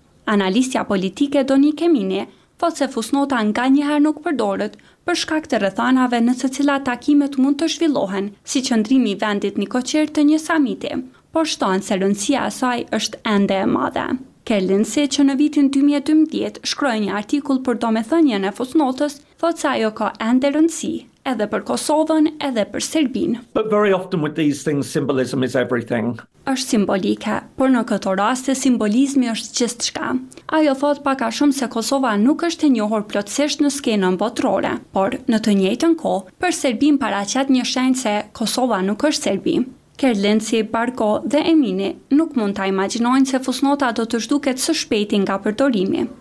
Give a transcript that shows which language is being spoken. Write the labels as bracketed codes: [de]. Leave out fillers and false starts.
[sq] Analistja politike Doni Kemini thot se fusnota nga njëherë nuk përdoret, për shkak të rrethanave në të cilat takimet mund të zhvillohen, si qëndrimi i vendit Nikoqir të një samiti, por shtohen se rëndësia e saj është ende e madhe. Kellinsi, që në vitin 2012 shkroi një artikull për domethënien e fusnotës, thotë se ajo ka ende rëndësi, edhe për Kosovën, edhe për Serbinë. [en] But very often with these things symbolism is everything. [sq] Është simbolike, por në këtë rast simbolizmi është gjithçka. Ajo thot pak a shumë se Kosova nuk është e njohur plotësisht në skenën botërore, por në të njëjtën kohë për Serbinë paraqet një shenjë se Kosova nuk është Serbi. Kerlenci, Barko dhe Emini nuk mund ta imagjinojnë se fusnota do të zhduket së shpejti nga përdorimi.